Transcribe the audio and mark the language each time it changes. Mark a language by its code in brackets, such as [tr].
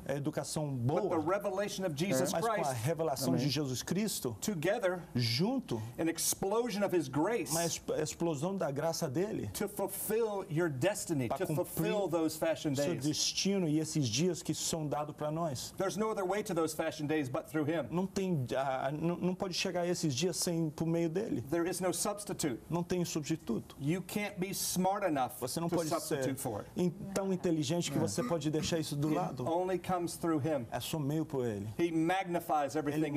[pt] A educação boa. [en] With the revelation of Jesus Christ. [pt] Mas com a revelação de Jesus Cristo. [en] Together, [pt] junto, [en] an explosion of his grace, [pt] uma explosão da graça dele, [en] to fulfill your destiny, [pt] para cumprir [en] to fulfill those fashion days. [pt] Seu destino e esses dias que são dados para nós. [en] There's no other way to those fashion days but through him. [pt] Não tem, não pode chegar a esses dias sem por meio dele. [en] There is no substitute. [pt] Não tem substituto. [en] You can't be smart enough. [pt] Você não pode ser tão inteligente que você pode deixar isso do lado. [en] Only comes through him. [pt] É só meio por ele. [en] He magnifies everything